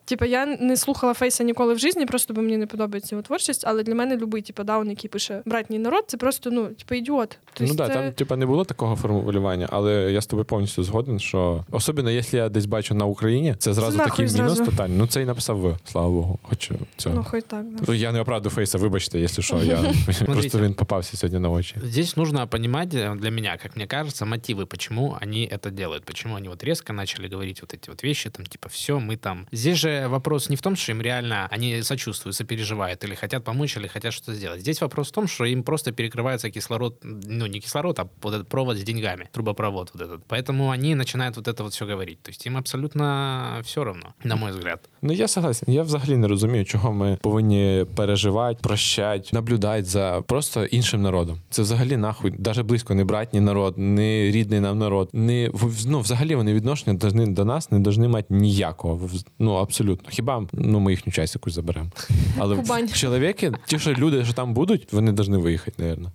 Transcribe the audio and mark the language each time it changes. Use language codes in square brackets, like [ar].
[uk] Типу, я не слухала Фейса ніколи в житті, просто бо мені не подобається його творчість, але для мене любий, типу, даун, який пише братній народ, це просто, ну, типу, ідіот. Тобто, ну, да, це... там, типу, не було такого формулювання, але я з тобою повністю згоден, що, особливо, якщо я десь бачу на Україні, це зразу знаху, такий зразу. Мінус тотальний. Ну, це і написав ви, слава Богу, хоч цього. Ну, хоч так, да. Я не оправдую Фейса, вибачте, якщо що, я просто він попався сьогодні на очі. [ru] Здесь нужно понимать, для меня, как мне кажется, мотивы, почему они это делают, почему они вот резко начали говорить вот эти вот вещи, там, типа, все, мы там... Здесь же вопрос не в том, что им реально они сочувствуют, сопереживают, или хотят помочь, или хотят что-то сделать. Здесь вопрос в том, что им просто перекрывается кислород, ну, не кислород, а вот этот провод с деньгами, трубопровод вот этот. Поэтому они начинают вот это вот все говорить. То есть им абсолютно все равно, на мой взгляд. Ну, я согласен. [uk] Я взагалі не розумію, чого ми повинні переживати, прощати, наблюдати за просто іншим народом. Це взагалі нахуй, навіть близько не братній народ, не рідний нам народ, не, ну, взагалі вони відношення должны, до нас не повинні мати ніякого, ну, абсолютно. Хіба, ну, ми їхню часть якусь заберемо. Але чоловіки, ті, що люди, що там будуть, вони повинні виїхати, напевно.